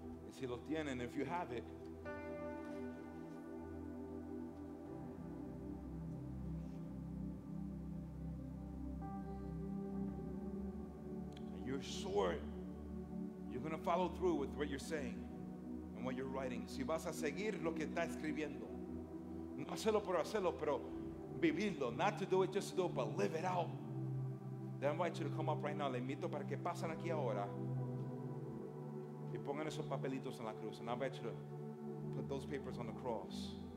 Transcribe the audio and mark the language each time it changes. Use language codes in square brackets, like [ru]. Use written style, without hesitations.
[es] Si lo tienen, [en] if you have it, and you're sure you're going to follow through with what you're saying and what you're writing. [es] Si vas a seguir lo que está escribiendo, no hacerlo por hacerlo, pero vivirlo. [en] Not to do it just to do it, but live it out. Then I invite you to come up right now. [es] Le invito para que pasen aquí ahora. Pongan esos papelitos en la cruz. [en] And I bet you to put those papers on the cross.